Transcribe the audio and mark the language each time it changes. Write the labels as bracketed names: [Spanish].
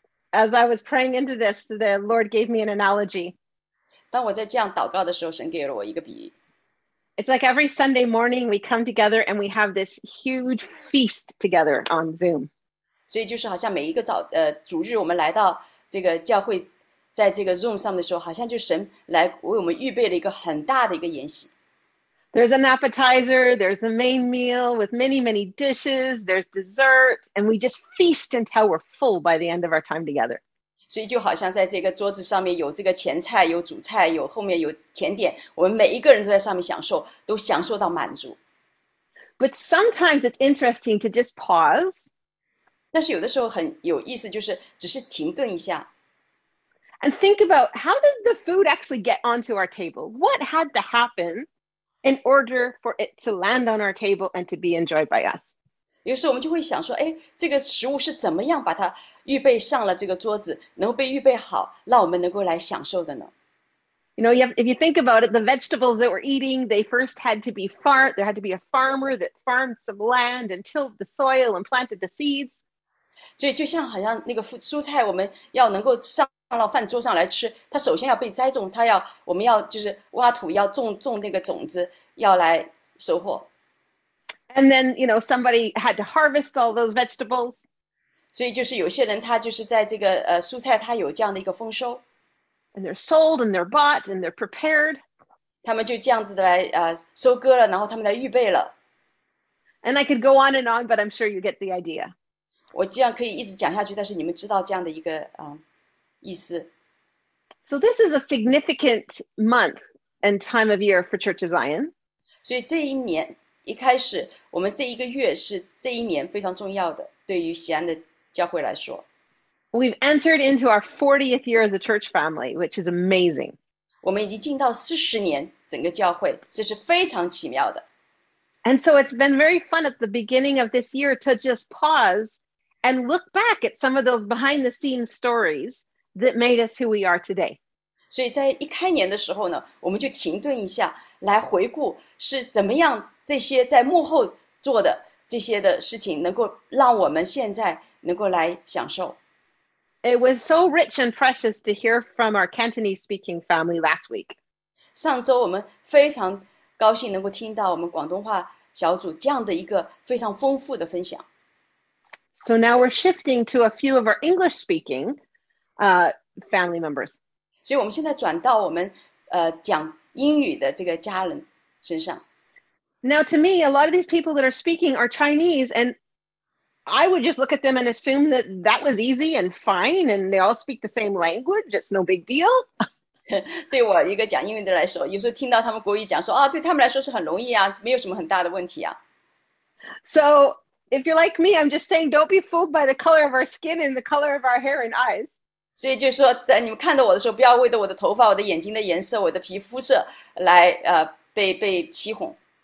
[English] As I was praying into this, the Lord gave me an analogy. [Chinese] 当我在这样祷告的时候，神给了我一个比喻。 [English] It's like every Sunday morning we come together and we have this huge feast together on Zoom. [Chinese] 所以就是好像每一个主日，我们来到这个教会，在这个 Zoom 上的时候，好像就神来为我们预备了一个很大的一个筵席。 [English] There's an appetizer, there's the main meal with many, many dishes, there's dessert, and we just feast until we're full by the end of our time together. [Chinese] 所以就好像在这个桌子上面有这个前菜，有主菜，有后面有甜点，我们每一个人都在上面享受，都享受到满足。 [English] But sometimes it's interesting to just pause. [Chinese] 但是有的时候很有意思，就是只是停顿一下。 [English] And think about how did the food actually get onto our table? What had to happen in order for it to land on our table and to be enjoyed by us? [Chinese] 有时候我们就会想说，哎，这个食物是怎么样把它预备上了这个桌子，能够被预备好，让我们能够来享受的呢？ [English] You know, if you think about it, the vegetables that we're eating, they first had to be farmed. There had to be a farmer that farmed some land and tilled the soil and planted the seeds. [Chinese] 所以就像好像那个蔬菜，我们要能够上到饭桌上来吃，它首先要被栽种，它要我们要就是挖土，要种那个种子，要来收获。 [English] And then, you know, somebody had to harvest all those vegetables. [Chinese] 所以就是有些人他就是在这个蔬菜，他有这样的一个丰收。 [English] And they're sold and they're bought and they're prepared. [Chinese] 他们就这样子的来收割了，然后他们来预备了。 [English] And I could go on and on, but I'm sure you get the idea. [Chinese] 我这样可以一直讲下去，但是你们知道这样的一个意思。 [English] So this is a significant month and time of year for Church of Zion. [Chinese] 所以这一年一开始，我们这一个月是这一年非常重要的，对于西安的教会来说。 [English] We've entered into our 40th year as a church family, which is amazing. [Chinese] 我们已经进到40年整个教会，这是非常奇妙的。 [English] And so it's been very fun at the beginning of this year to just pause and look back at some of those behind the scenes stories that made us who we are today. [Chinese] 所以在一开年的时候呢，我们就停顿一下，来回顾是怎么样这些在幕后做的这些的事情，能够让我们现在能够来享受。 [English] It was so rich and precious to hear from our Cantonese-speaking family last week. [Chinese] 上周我们非常高兴能够听到我们广东话小组这样的一个非常丰富的分享。 [English] So now we're shifting to a few of our English-speaking family members. [Chinese] 所以我们现在转到我们讲英语的这个家人身上。 [English] Now to me, a lot of these people that are speaking are Chinese and I would just look at them and assume that that was easy and fine, and they all speak the same language. It's no big deal. [Chinese] 对我一个讲英语的来说，有时候听到他们国语讲说啊，对他们来说是很容易啊，没有什么很大的问题啊。 [English] So if you're like me, I'm just saying, don't be fooled by the color of our skin and the color of our hair and eyes. [Chinese] 所以就是说，在你们看到我的时候，不要为着我的头发、我的眼睛的颜色、我的皮肤色来被欺哄。